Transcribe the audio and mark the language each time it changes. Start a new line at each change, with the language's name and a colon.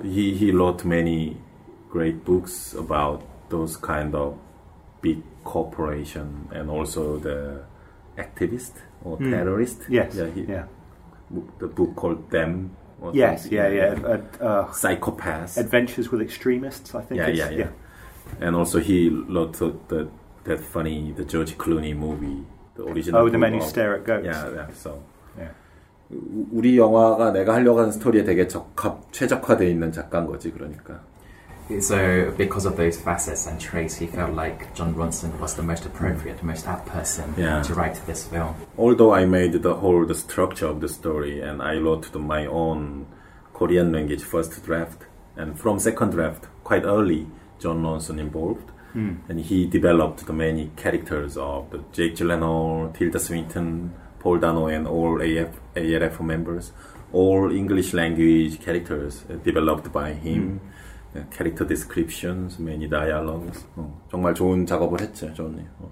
English: He wrote many great books about those kind of big corporation and also the activist or terrorist. Yes. The book called Them. Psychopath. Adventures with Extremists, I think. And also he wrote that funny, the George Clooney movie, the original. Oh, The Men Who Stare at Goats. Yeah.
Korean: 우리 영화가 내가 하려고 하는 스토리에 되게 최적화되어 있는 작가인 거지, 그러니까.
English: So because of those facets and traits, he felt like John Rumson was the most appropriate, the most apt person to write this film. Although I made the whole the structure of the story and I wrote my own Korean language first draft, and from second draft, quite early, John Rumson involved, and he developed the many characters of the Jake Gyllenhaal, Tilda Swinton, Paul Dano, and all ALF members, all English language characters developed by him. Character descriptions, many dialogues.
Korean: 정말 좋은 작업을 했죠, 존이.